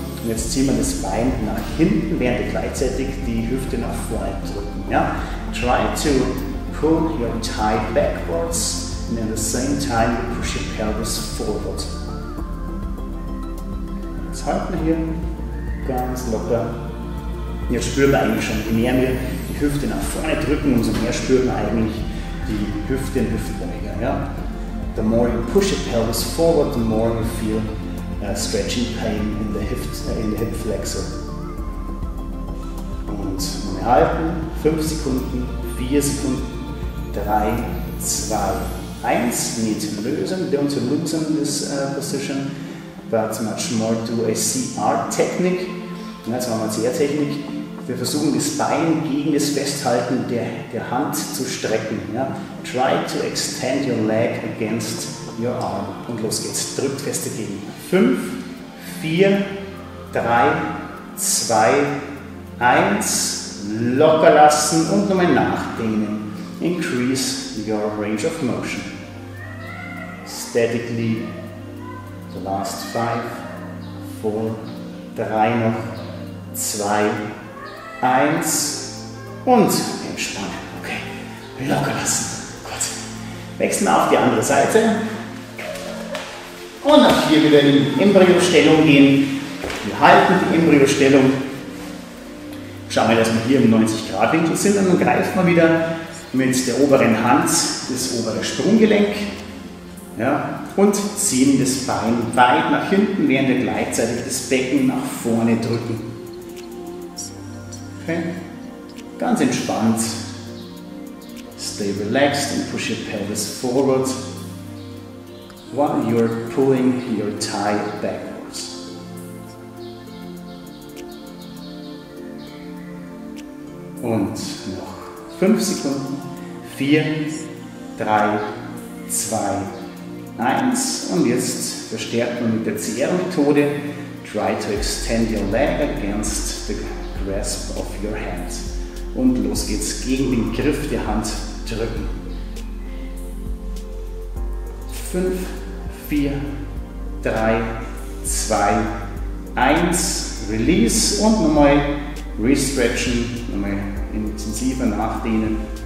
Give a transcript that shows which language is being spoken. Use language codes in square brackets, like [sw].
[de] Und jetzt ziehen wir das Bein nach hinten, während wir gleichzeitig die Hüfte nach vorne drücken. Ja? [en] Try to pull your thigh backwards, and at the same time you push your pelvis forward. [de] Jetzt halten hier ganz locker. Jetzt spüren wir eigentlich schon, je mehr wir die Hüfte nach vorne drücken, umso mehr spüren wir eigentlich die Hüfte im Hüftbeuger. Ja? [en] The more you push your pelvis forward, the more you feel stretching pain in the hip, flexor. [de] Und wir halten 5 Sekunden, 4 Sekunden, 3, 2, 1. [en] We need to loosen, don't loosen this position, but much more do a CR technique. [de] Jetzt machen wir eine CR-Technik. Wir versuchen das Bein gegen das Festhalten der Hand zu strecken. Ja? [en] Try to extend your leg against your arm. [de] Und los geht's. Drückt fest dagegen. 5, 4, 3, 2, 1. Locker lassen und nochmal nachdehnen. [en] Increase your range of motion. Statically. The last 5, 4, 3 noch. [de] 2, 1 und entspannen. Okay, locker lassen. Gut. Wechseln auf die andere Seite. Und auch hier wieder in die Embryo-Stellung gehen. Wir halten die Embryo-Stellung. Schauen wir, dass wir hier im 90-Grad-Winkel sind. Und dann greifen wir wieder mit der oberen Hand das obere Sprunggelenk. Ja, und ziehen das Bein weit nach hinten, während wir gleichzeitig das Becken nach vorne drücken. Okay. Ganz entspannt. [en] Stay relaxed and push your pelvis forward while you're pulling your thigh backwards. [de] Und noch 5 Sekunden. 4, 3, 2, 1. Und jetzt verstärkt man mit der CR-Methode. [en] Try to extend your leg against the grasp of your hand. [de] Und los geht's, gegen den Griff der Hand drücken. 5, 4, 3, 2, 1, release und nochmal restretchen, nochmal intensiver nachdehnen.